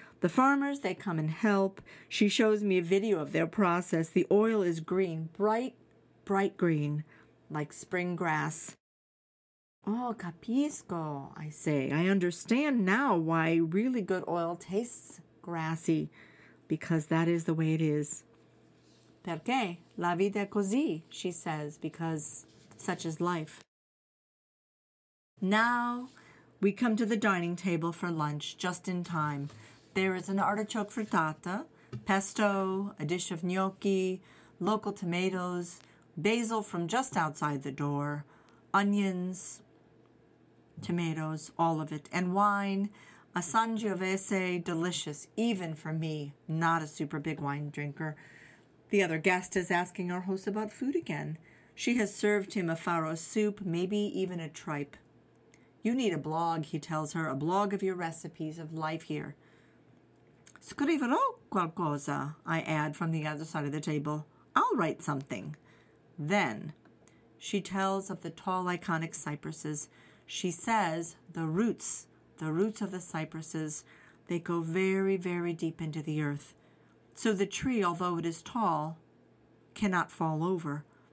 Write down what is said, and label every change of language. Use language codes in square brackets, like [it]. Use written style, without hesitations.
[en] The farmers, they come and help. She shows me a video of their process. The oil is green, bright, bright green, like spring grass. Oh, [it] capisco, [en] I say. I understand now why really good oil tastes grassy, because that is the way it is. [it] Perché la vita è così, [en] she says, because such is life. Now we come to the dining table for lunch, just in time. There is an artichoke frittata, pesto, a dish of gnocchi, local tomatoes, basil from just outside the door, onions, tomatoes, all of it, and wine, a Sangiovese, delicious, even for me, not a super big wine drinker. The other guest is asking our host about food again. She has served him a farro soup, maybe even a tripe. You need a blog, he tells her, a blog of your recipes of life here. [it] Scriverò qualcosa, I add from the other side of the table. [en] I'll write something. Then, she tells of the tall, iconic cypresses. She says the roots of the cypresses, they go very, very deep into the earth. So the tree, although it is tall, cannot fall over.